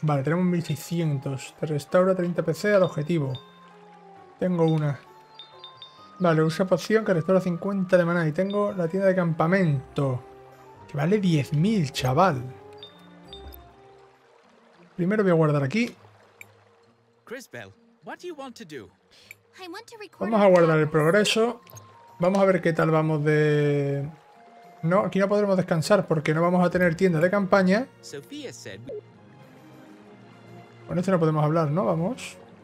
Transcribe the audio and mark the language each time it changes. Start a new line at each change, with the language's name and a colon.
Spanish: Vale, tenemos 1600. Te restaura 30 PC al objetivo. Tengo una. Vale, usa poción que restaura 50 de maná. Y tengo la tienda de campamento. Que vale 10.000, chaval. Primero voy a guardar aquí.
English: Chris Bell, what do you want to do?
Spanish: Vamos a guardar el progreso. Vamos a ver qué tal vamos de... No, aquí no podremos descansar porque no vamos a tener tienda de campaña. Con este no podemos hablar, ¿no? Vamos.